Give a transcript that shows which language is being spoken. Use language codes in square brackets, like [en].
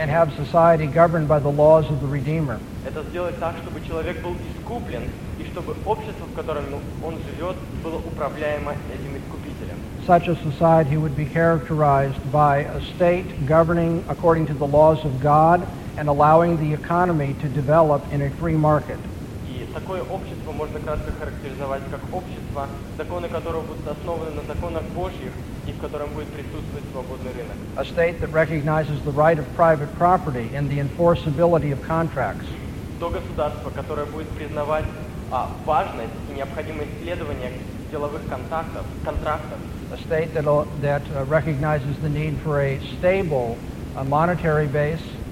[en] And have society governed by the laws of the Redeemer. [ru] Это сделать так, чтобы человек был искуплен, и чтобы общество, в котором он живет, было управляемо этим искупителем. [en] Such a society would be characterized by a state governing according to the laws of God and allowing the economy to develop in a free market. [ru] Такое общество можно кратко характеризовать как общество, законы которого будут основаны на законах Божьих и в котором будет присутствовать свободный рынок. [en] A state that recognizes the right of private property and the enforceability of contracts. [ru] То государство, которое будет признавать важность и необходимость следования деловых контрактов. [en] A state that recognizes the need for a stable monetary base.